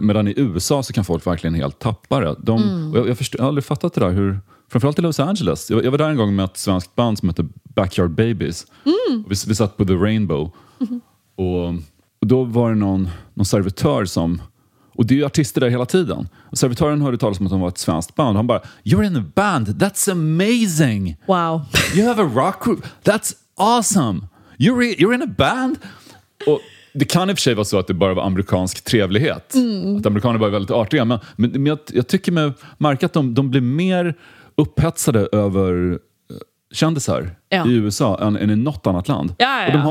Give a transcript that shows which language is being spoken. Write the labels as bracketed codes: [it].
[sv] Medan i USA så kan folk verkligen helt tappa det. Jag har aldrig fattat det där. Framförallt i Los Angeles. Jag var där en gång med ett svenskt band som heter Backyard Babies. Mm. Vi satt på The Rainbow. Mm. Och då var det någon servitör som... Och det är ju artister där hela tiden. Och servitören hörde talas om att de var ett svenskt band. Och han bara, [en] you're in a band. That's amazing. Wow. You have a rock group. That's... awesome. You're in a band. [sv] Och det kan i och för sig vara så att det bara var amerikansk trevlighet. Mm. Att amerikaner bara är väldigt artiga. Men jag tycker mig märka att de blir mer upphetsade över kändisar i USA än i något annat land. Ja, ja, ja.